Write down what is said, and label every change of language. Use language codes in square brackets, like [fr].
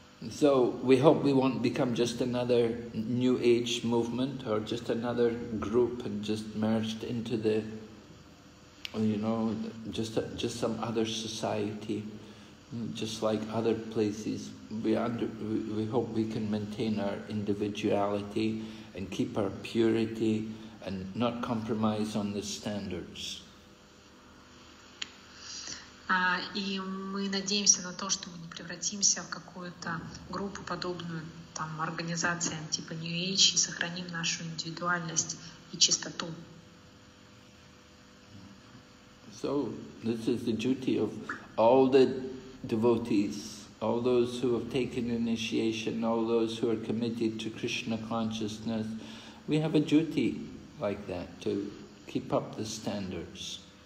[en] So we hope we won't become just another New Age movement or just another group and just merged into the you know, just some other society, just like other places. We hope we can maintain our individuality and keep our purity and not compromise on the standards. [ru] И мы надеемся на то, что мы не превратимся в какую-то группу подобную там организациям типа New Age и сохраним нашу индивидуальность и чистоту. [en] So this is the duty of all the devotees, all those who have taken initiation, all those who are committed to Krishna consciousness. We have a duty like that to keep up the standards.